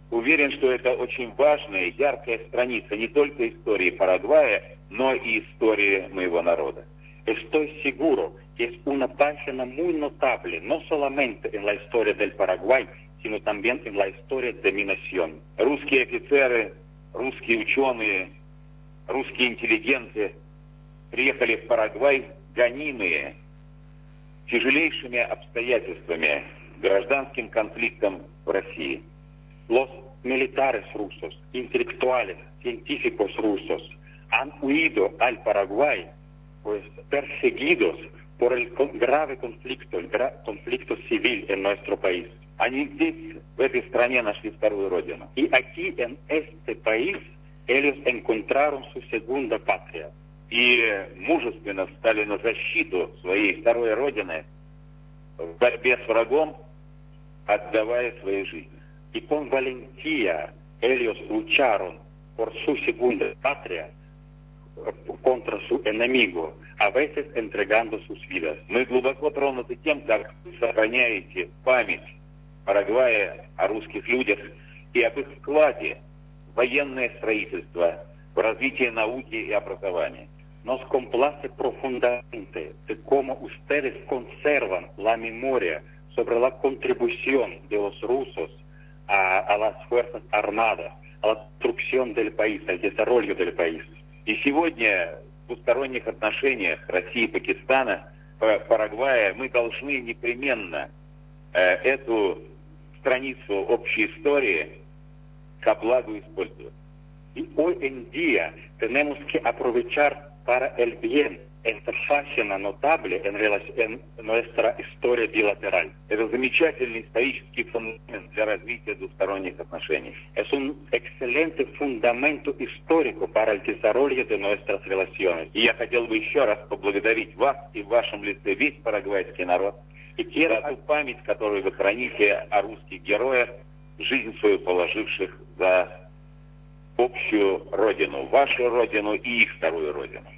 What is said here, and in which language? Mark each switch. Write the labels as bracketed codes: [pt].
[ru] Уверен, что это очень важная и яркая страница не только истории Парагвая, но и истории моего народа. [es] Estoy seguro que es una página muy notable, no solamente en la historia del Paraguay, sino también en la historia de mi nación. [ru] Русские офицеры, русские ученые, русские интеллигенты приехали в Парагвай, гонимые тяжелейшими обстоятельствами, гражданским конфликтом в России. [es] Los militares rusos, intelectuales, científicos rusos han huido al Paraguay, pues perseguidos por el grave conflicto, el conflicto civil en nuestro país. [ru] Они здесь, в этой стране, нашли вторую родину. [es] И aquí, en este país, ellos encontraron su segunda patria. [ru] И мужественно встали на защиту своей второй родины в борьбе с врагом, отдавая свои жизни. [es] И con valentía ellos lucharon por su segunda patria contra su enemigo, a veces entregando sus vidas. [ru] Мы глубоко тронуты тем, как вы сохраняете память Парагвая о русских людях и об их вкладе в военное строительство, в развитие науки и образования. [es] Nos complace profundamente de cómo ustedes conservan la memoria sobre la contribución de los rusos a las fuerzas armadas, a la construcción del país, al desarrollo del país. [ru] И сегодня в двусторонних отношениях России и Пакистана, Парагвая, мы должны непременно эту страницу общей истории ко благу использовать. [es] И hoy en día tenemos que aprovechar para el bien entre fascina notable en nuestra historia bilateral. [ru] Это замечательный исторический фундамент для развития двусторонних отношений. [es] Es un excelente fundamento histórico para el desarrollo de nuestras relaciones. [ru] И я хотел бы еще раз поблагодарить вас и в вашем лице весь парагвайский народ и за ту память, которую вы храните о русских героях, жизнь свою положивших за общую родину, вашу родину и их вторую родину.